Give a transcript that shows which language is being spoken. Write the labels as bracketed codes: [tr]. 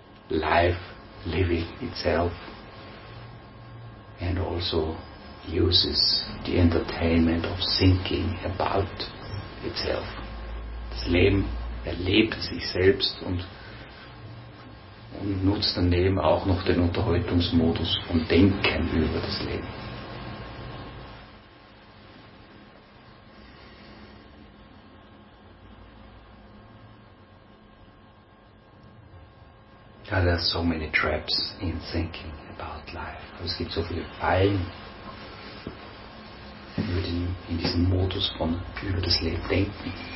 [en] Life living itself and also uses the entertainment of thinking about itself. [de] Das Leben erlebt sich selbst und nutzt daneben auch noch den Unterhaltungsmodus und Denken über das Leben. [en] Ja, there are so many traps in thinking about life. [de] Es gibt so viele Fallen in diesem Modus von über das Leben denken.